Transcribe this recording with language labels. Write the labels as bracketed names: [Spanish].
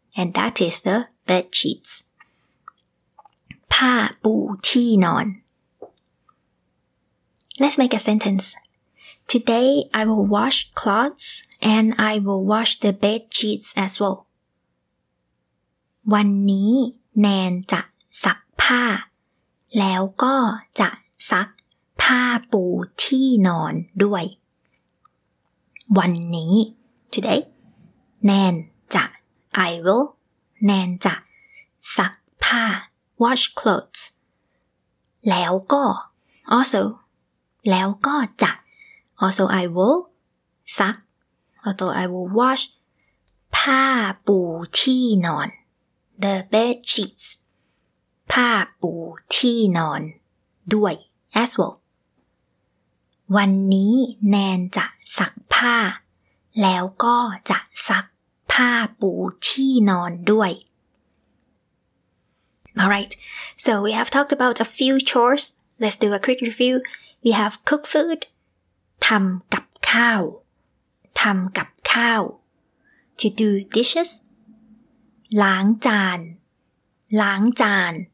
[English] And that is the bed sheets. [Thai] ผ้าปูที่นอน [English] Let's make a sentence. Today I will wash clothes and I will wash the bed sheets as well. [Thai] วันนี้แนนจะซักผ้าแล้วก็จะซักผ้าปูที่นอนด้วย วันนี้ Today แนนจะ [English] I will [Thai] แนนจะซักผ้า [English] Wash clothes. [Thai] แล้วก็ [English] Also. [Thai] แล้วก็จะ [English] Also I will. [Thai] ซัก [English] Although I will wash. [Thai] ผ้าปูที่นอน [English] The bed sheets. [Thai] ผ้าปูที่นอนด้วย [English] As well. [Thai] วันนี้แนนจะซักผ้าแล้วก็จะซักผ้าปูที่นอนด้วย [English] Alright, so we have talked about a few chores. Let's do a quick review. We have cook food. [Thai] ทำกับข้าว. ทำกับข้าว. [English] To do dishes. [Thai] ล้างจาน. ล้างจาน.